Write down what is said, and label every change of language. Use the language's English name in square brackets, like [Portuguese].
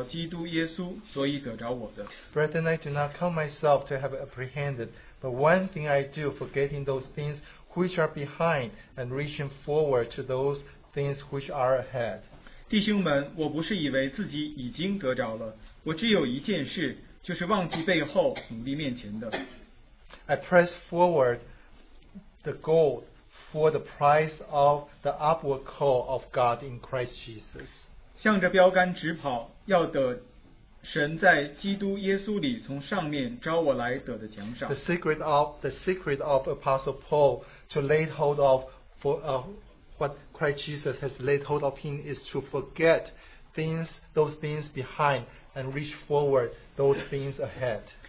[Chinese] 腓立比书第3章12节，这不是说我已经得着了，已经完全了，我乃是竭力追求，或者可以得着基督耶稣，所以得着我的。 [English] Brethren, I do not count myself to have apprehended, but one thing I do, forgetting those things which are behind and reaching forward to those things which are ahead. [Chinese] 弟兄们，我不是以为自己已经得着了，我只有一件事，就是忘记背后，努力面前的。 [English] I press forward the goal for the prize of the upward call of God in Christ Jesus. [Chinese] 向着标杆直跑，要得神在基督耶稣里从上面招我来得的奖赏。 [English] The secret of Apostle Paul to lay hold of for what Christ Jesus has laid hold of him is to forget those things behind and reach forward those things ahead.